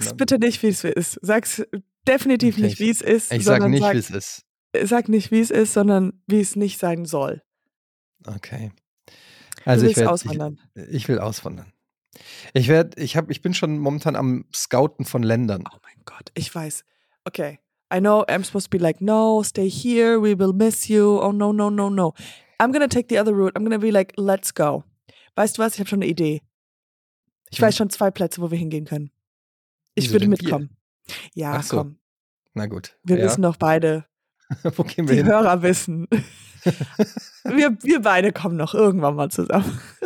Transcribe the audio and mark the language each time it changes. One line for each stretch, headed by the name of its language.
German: Sag's bitte nicht, wie es ist. Sag's definitiv nicht, wie es ist. Ich sag nicht, wie es ist. Sag nicht, wie es ist, sondern wie es nicht sein soll. Okay. Also du willst auswandern. Ich will auswandern. Ich bin schon momentan am Scouten von Ländern. Oh mein Gott, ich weiß. Okay.
English: I know I'm supposed to be like, no, stay here, we will miss you. Oh no, no, no, no. I'm gonna take the other route. I'm gonna be like, let's go.
German: Weißt du was? Ich habe schon eine Idee. Ich weiß schon 2 Plätze, wo wir hingehen können. Ich würde mitkommen. Ja, ach so. Komm. Na gut. Wir wissen doch beide. Wo gehen wir die hin? Hörer wissen. Wir beide kommen noch irgendwann mal zusammen.